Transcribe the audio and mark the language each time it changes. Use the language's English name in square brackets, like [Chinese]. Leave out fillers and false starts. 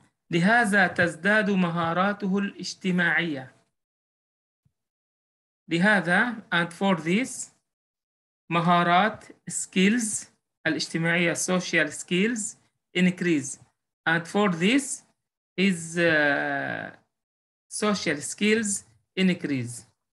[Arabic] لهذا تزداد مهاراته الاجتماعية. لهذا [English] and for this [Arabic] مهارات [English] skills [Arabic] الاجتماعية [English] social skills increase. And for this is social skills increase.